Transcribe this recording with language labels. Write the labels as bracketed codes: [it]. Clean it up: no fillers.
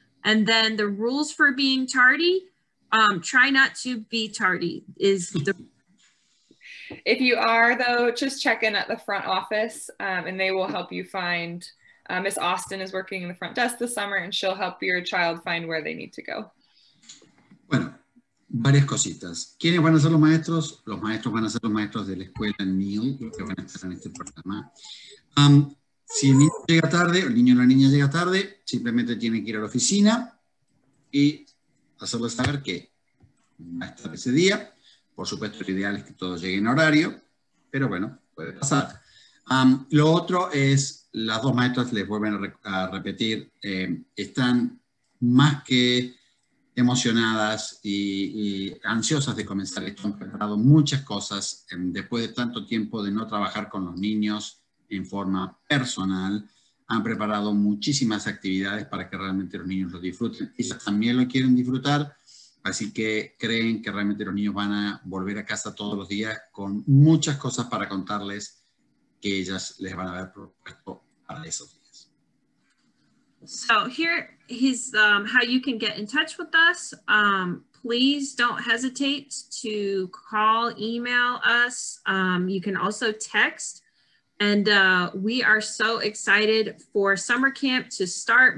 [en] And then the rules for being tardy. Try not to be tardy is the. If you are, though, just check in at the front office and they will help you find. Miss Austin is working in the front desk this summer and she'll help your child find where they need to go. [es] Bueno, varias cositas. ¿Quiénes van a ser los maestros? Los maestros van a ser los maestros de la escuela Neal que van a estar en este programa. Si el niño llega tarde, el niño o la niña llega tarde, simplemente tiene que ir a la oficina y hacerles saber que va a estar ese día. Por supuesto, lo ideal es que todos lleguen a horario, pero bueno, puede pasar. Lo otro es, las dos maestras les vuelven a repetir, están más que emocionadas y ansiosas de comenzar esto. Han preparado muchas cosas después de tanto tiempo de no trabajar con los niños en forma personal. Han preparado muchísimas actividades para que realmente los niños lo disfruten. Ellos también lo quieren disfrutar, así que creen que realmente los niños van a volver a casa todos los días con muchas cosas para contarles que ellas les van a haber propuesto para esos días. [en] So here is how you can get in touch with us. Please don't hesitate to call, email us. You can also text. And we are so excited for summer camp to start.